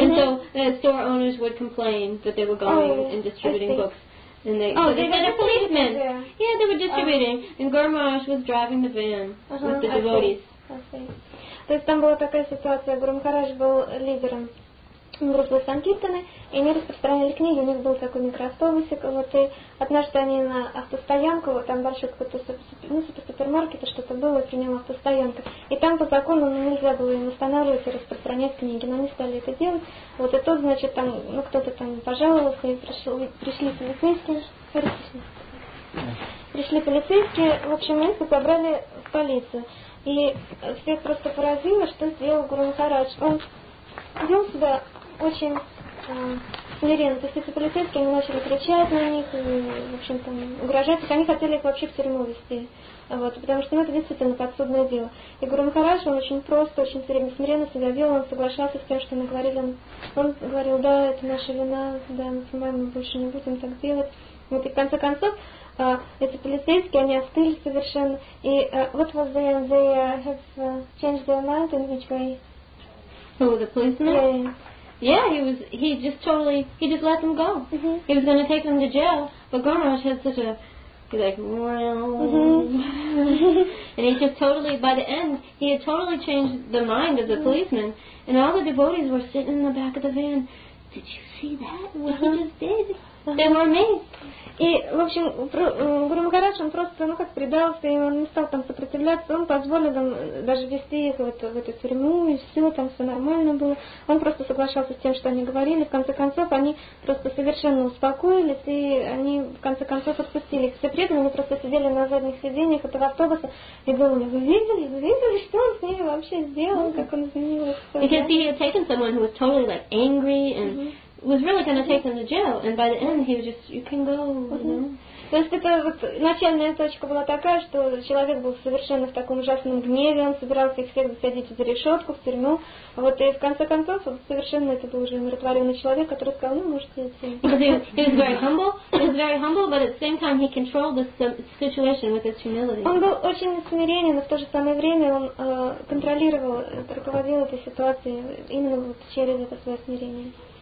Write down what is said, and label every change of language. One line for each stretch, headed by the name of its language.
English: And so the store owners would complain that they were going and distributing books. And they had a policeman. There. Yeah, they were distributing. And Guru Maharaj was driving the van with the devotees.
Russian: То есть там была такая ситуация. Гуру Махарадж был лидером группы Санкиртаны, и они распространяли книги, у них был такой микроавтобусик, вот, и однажды они на автостоянку, вот там большой какой-то супермаркет, что-то было, при нем автостоянка, и там по закону нельзя было им останавливать и распространять книги, но они стали это делать, вот, и тот, значит, там, ну, кто-то там пожаловался, и пришли полицейские, в общем, их и забрали в полицию, и всех просто поразило, что сделал Гуру Махарадж, он вел себя очень смиренно. То есть эти полицейские, они начали кричать на них, и, в общем-то, угрожать. Они хотели их вообще в тюрьму везти. Вот, потому что, ну, это действительно подсудное дело. И Гуру Махарадж, он очень просто, очень смиренно себя вел, он соглашался с тем, что мы говорили. Он говорил, да, это наша вина, да, мы больше не будем так делать. Вот, и в конце концов, эти полицейские, они остыли совершенно.
English: И what was the end? They have changed their mind in which way? Oh, the policeman? Yeah, he just let them go. Mm-hmm. He was going to take them to jail, but Guru Maharaj had such a, he's like, and he just totally, by the end, he had totally changed the mind of the policeman, and all the devotees were sitting in the back of the van, did you see that, what he just did? they were amazed.
Russian: И, в общем, Гуру Махарадж, он просто, ну, как предался, и он не стал там сопротивляться, он позволил им даже вести их в эту тюрьму, и все, там все нормально было. Он просто соглашался с тем, что они говорили, в конце концов, они просто совершенно успокоились, и они, в конце концов, отпустили их. Все преданные просто сидели на задних сиденьях этого автобуса, и думали, вы видели, что он с ними вообще сделал, как он изменил их.
English: Because he had taken someone who was totally, like, angry, and... was really going to take them to jail, and by the end he was just, you can go,
Russian: То есть это вот начальная точка была такая, что человек был совершенно в таком ужасном гневе, он собирался их всех засадить за решетку, в тюрьму, вот, и в конце концов вот, совершенно это был уже умиротворенный человек, который сказал, ну, можете идти.
English: He was very humble, but at the same time he controlled the situation with his humility.
Russian: Он был очень смиренен, но в то же самое время он контролировал, руководил этой ситуацией именно вот через это свое смирение.